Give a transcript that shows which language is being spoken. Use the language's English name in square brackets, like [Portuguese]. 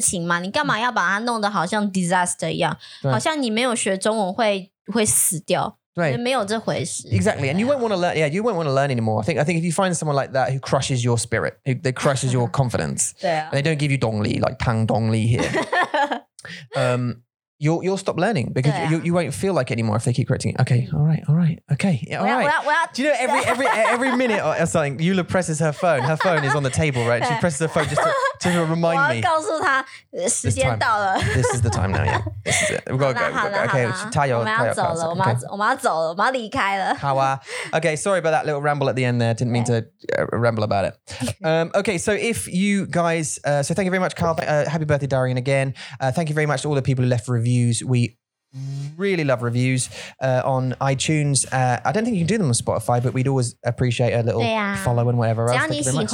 [Chinese] 因为学语言这种东西本来就是要很快乐、很开心、好玩的事情嘛。你干嘛要把它弄得好像 disaster 一样？好像你没有学中文会死掉，没有这回事。 [English] Exactly, and you won't want to learn. Yeah, you won't want to learn anymore. I think if you find someone like that who crushes your spirit, who they crushes your confidence, and they don't give you dongli like tang dongli here. You'll stop learning because you won't feel like it anymore if they keep correcting it. Okay, all right. Okay, all right. Do you know every minute or something, Eula presses her phone. Her phone is on the table, right? She presses her phone just to remind me. [Chinese] 我要告诉她时间到了。 [English] This is the time now, yeah. This is it. We've got to go. Okay, [Chinese] 我们要走了，我们要离开了。好啊。 [English] Okay, sorry about that little ramble at the end there. Didn't mean to ramble about it. Okay, so if you guys, so thank you very much, Carl. Happy birthday, Darian, again. Thank you very much to all the people who left reviews. We really love reviews on iTunes. I don't think you can do them on Spotify, but we'd always appreciate a little follow and whatever else.